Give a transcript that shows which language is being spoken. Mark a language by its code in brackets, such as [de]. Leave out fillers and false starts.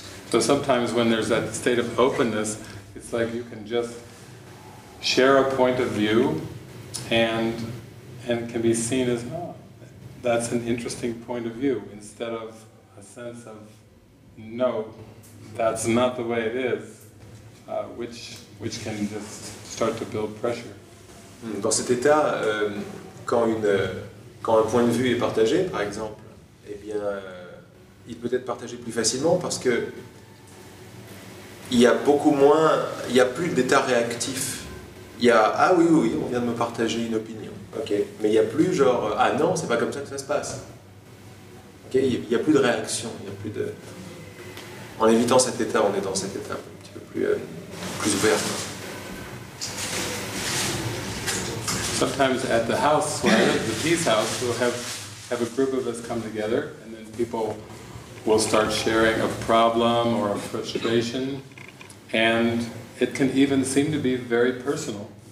[en] So sometimes when there's that state of openness, it's like you can just share a point of view and can be seen as, oh, that's an interesting point of view, instead of a sense of, no, that's not the way it is, which can just start to build pressure. [fr] Dans cet état, quand un point de vue est partagé, par exemple, eh bien, il peut être partagé plus facilement parce que il y a plus d'état réactif. Il y a, ah oui, oui, on vient de me partager une opinion. Okay. Mais il n'y a plus genre, ah non, c'est pas comme ça que ça se passe. Okay. Il n'y a plus de réaction. Il y a plus de... En évitant cet état, on est dans cet état un petit peu plus ouvert. [en] Sometimes at the house, the peace house, we'll have a group of us come together and then people will start sharing a problem or a frustration, and it can even seem to be very personal.